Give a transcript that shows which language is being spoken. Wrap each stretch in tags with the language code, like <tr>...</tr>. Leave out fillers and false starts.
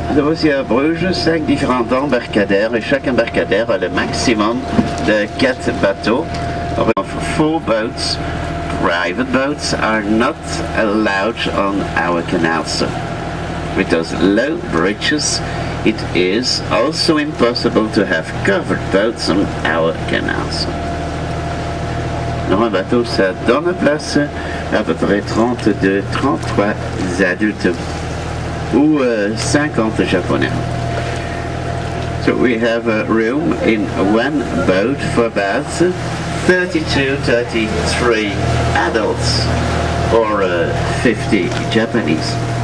<fr>Aussi à Bruges, 5 différents embarcadères et chaque embarcadère a le maximum de 4 bateaux.</fr> <en>Of 4 boats, private boats are not allowed on our canals. With those low bridges, it is also impossible to have covered boats on our canals.</en> <fr>Dans un bateau, ça donne place à peu près 32-33 adultes. Ou 50 Japonais.</fr> <en>So we have a room in one boat for about 32-33 adults or 50 Japanese.</en>